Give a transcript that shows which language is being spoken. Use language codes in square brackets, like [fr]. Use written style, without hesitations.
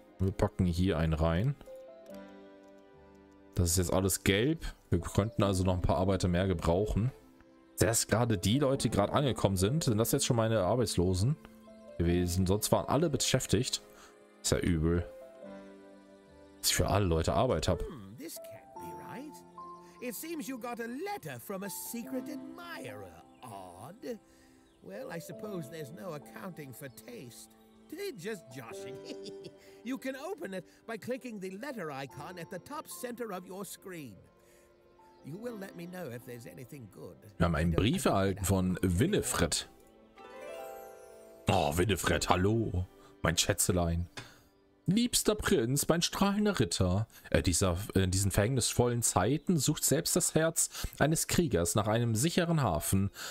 [de] Wir packen hier einen rein. Das ist jetzt alles gelb. Wir könnten also noch ein paar Arbeiter mehr gebrauchen. Dass gerade die Leute gerade angekommen sind. Sind das jetzt schon meine Arbeitslosen gewesen? Sonst waren alle beschäftigt. Ist ja übel. Dass ich für alle Leute Arbeit habe. [en] This can't be right. It seems you got a letter from a secret admirer. Odd. Well, I suppose there's no accounting for taste. They're just joshing. You can open it by clicking the letter icon at the top center of your screen. You will let me know if there's anything good. [de] Wir haben einen Brief erhalten von Winifred. Oh, Winifred, hallo, mein Schätzelein. Liebster Prinz, mein strahlender Ritter, in diesen verhängnisvollen Zeiten sucht selbst das Herz eines Kriegers nach einem sicheren Hafen.